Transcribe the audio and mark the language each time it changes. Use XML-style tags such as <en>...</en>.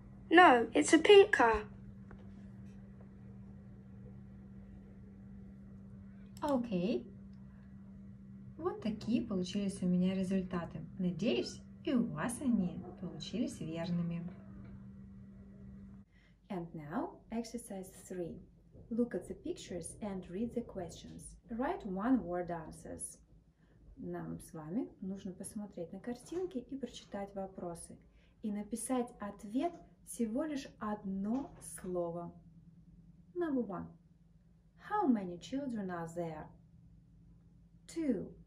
<en>No, it's a pink car. Окей.</en> <ru>Вот такие получились у меня результаты. Надеюсь, и у вас они получились верными.</ru> <en>And now, exercise 3. Look at the pictures and read the questions. Write one word answers.</en> <ru>Нам с вами нужно посмотреть на картинки и прочитать вопросы. И написать ответ всего лишь одно слово.</ru> <en>Number 1. How many children are there? 2.</en>